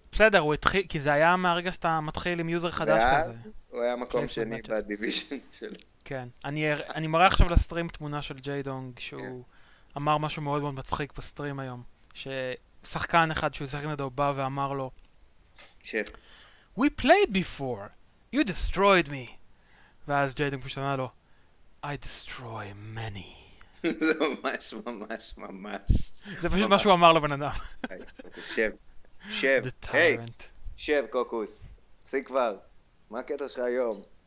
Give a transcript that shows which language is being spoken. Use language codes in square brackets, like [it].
[he] בסדר, הוא התחיל, כי זה היה מהרגע שאתה מתחיל עם יוזר חדש כזה. ואז הוא היה מקום שני בדיוויז'ן שלו. כן, אני מראה עכשיו לסטרים תמונה של ג'יידונג, שהוא אמר משהו מאוד מאוד מצחיק בסטרים היום. ששחקן אחד שהוא שחקן לדעו בא ואמר לו... שף. [en] We played before. You destroyed me. [he] ואז ג'יידן פשוט ענה לו, [en] I destroy many. [he] זה ממש ממש ממש. זה פשוט מה שהוא אמר לבן אדם. שב, שב, היי, שב קוקוס, פסיק כבר, מה הקטע שלך היום?